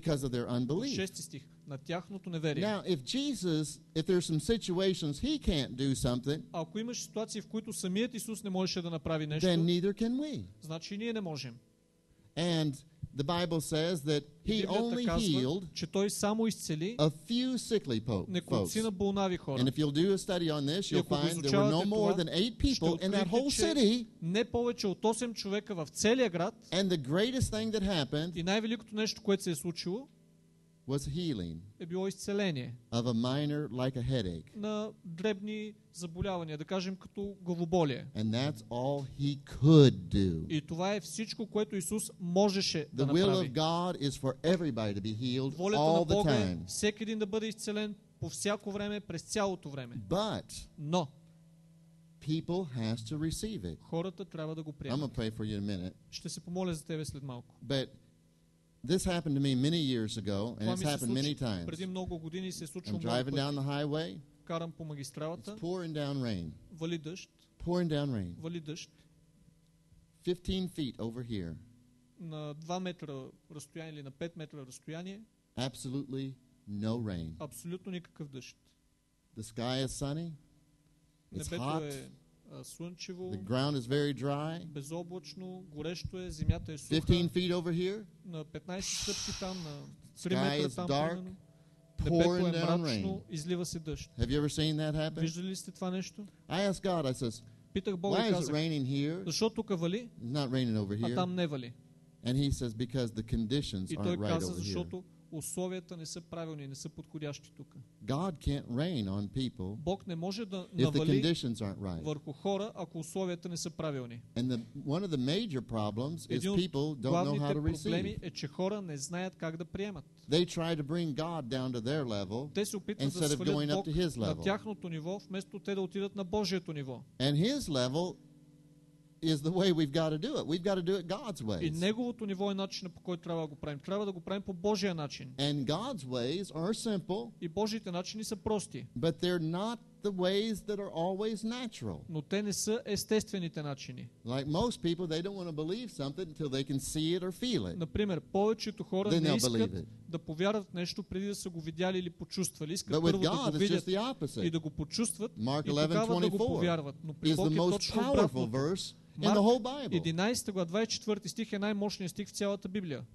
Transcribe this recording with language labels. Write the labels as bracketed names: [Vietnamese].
[English] Because of their unbelief. [Bulgarian] 6 стих. На тяхното неверие. [English] Now, if there's some situations he can't do something, [Bulgarian] ако имаш ситуации, в които самият Исус не можеше да направи нещо, [English] then neither can we. [Bulgarian] Значи ние не можем. [English] And the Bible says that he only healed [Bulgarian] че той само изцели [English] a few sickly folks. [Bulgarian] На болнави хора. [English] And if you'll do a study on this, you'll find there were no more than 8 people in that whole city. [Bulgarian] Не повече от 8 човека в целия град. [English] And the greatest thing that happened, [Bulgarian] и най-великото нещо, което се е случило, [English] was healing. [Bulgarian] Е било изцеление. [English] Of a minor like a headache. [Bulgarian] На дребни заболявания, да кажем като главоболие. [English] And that's all he could do. [Bulgarian] И това е всичко, което Исус можеше да направи. [English] The will of God is for everybody to be healed all the time. [Bulgarian] Волята на Бога е всеки един да бъде изцелен по всяко време, през цялото време. [English] But [Bulgarian] но [English] people has to receive it. [Bulgarian] Хората трябва да го приемат. [English] I'm gonna pray for you in a minute. [Bulgarian] Ще се помоля за тебе след малко. [English] But this happened to me many years ago, and it's happened many times. [Bulgarian] Преди много години се случва. [English] I'm driving down the highway. [Bulgarian] Карам по магистралата. [English] It's pouring down rain. [Bulgarian] Вали дъжд. [English] Pouring down rain. [Bulgarian] Вали дъжд. [English] 15 feet over here. [Bulgarian] На 2 метра разстояние или на 5 метра разстояние. [English] Absolutely no rain. [Bulgarian] Абсолютно никакъв дъжд. [English] The sky is sunny. It's hot. [Bulgarian] Слънчево, [English] the ground is very dry. [Bulgarian] Безоблачно, горещо е, земята е суха. [English] 15 feet over here. [Bulgarian] На 15 стъпки там, на 3 метра там. [English] Sky is dark. Pouring down rain. [Bulgarian] Излива се дъжд. [English] Have you ever seen that happen? [Bulgarian] Виждали ли сте това нещо? [English] I asked God, I says, [Bulgarian] питах Бога, [English] why is it raining here? [Bulgarian] Защо тук вали? [English] It's not raining over here. [Bulgarian] А там не вали. [English] And he says, because the conditions aren't right over here. [Bulgarian] И той каза, защото условията не са правилни, не са подходящи тук. [English] God can't rain on people. [Bulgarian] Бог не може да навали върху хора, ако условията не са правилни. [English] And one of the major problems is people don't know how to receive. [Bulgarian] Един от главните проблеми е, че хора не знаят как да приемат. [English] They try to bring God down to their level. [Bulgarian] Те се опитват да свалят Бог на тяхното ниво, вместо те да отидат на Божието ниво. [English] And his level is the way we've got to do it. We've got to do it God's way. [Bulgarian] И неговото ниво е начинът, по който трябва да го правим. Трябва да го правим по Божия начин. [English] And God's ways are simple. [Bulgarian] И Божиите начини са прости. [English] But they're not the ways that are always natural. [Bulgarian] Но те не са естествените начини. [English] Like most people, they don't want to believe something until they can see it or feel it. [Bulgarian] Например, повечето хора не искат да повярват нещо преди да са го видяли или почувствали. Искат първо да го видят и да го почувстват и тогава да го повярват. Но при Бог е точно обратното. [English] In the whole Bible. [Bulgarian] 11 глава 24 стих е най-мощният стих в цялата Библия.